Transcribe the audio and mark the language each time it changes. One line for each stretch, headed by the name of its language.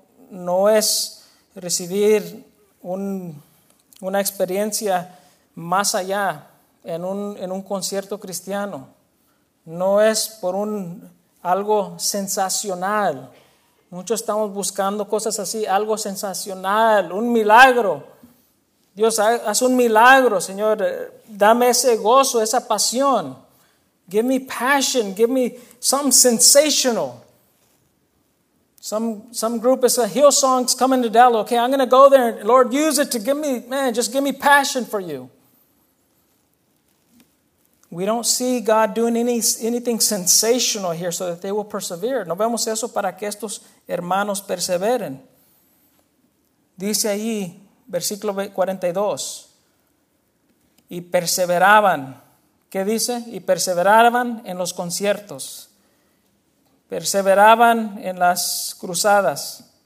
Spanish: No es recibir una experiencia más allá en un concierto cristiano. No es por algo sensacional. Muchos estamos buscando cosas así, algo sensacional, un milagro. Dios, haz un milagro, Señor. Dame ese gozo, esa pasión.
English: Give me passion, give me something sensational. Some group is a Hillsong's coming to Dallas. Okay, I'm going to go there. Lord, use it to give me, man, just give me passion for you. We don't see God doing anything sensational here so that they will persevere.
Spanish: No vemos eso para que estos hermanos perseveren. Dice ahí, versículo 42. Y perseveraban. ¿Qué dice? Y perseveraban en los conciertos. Perseveraban en las cruzadas.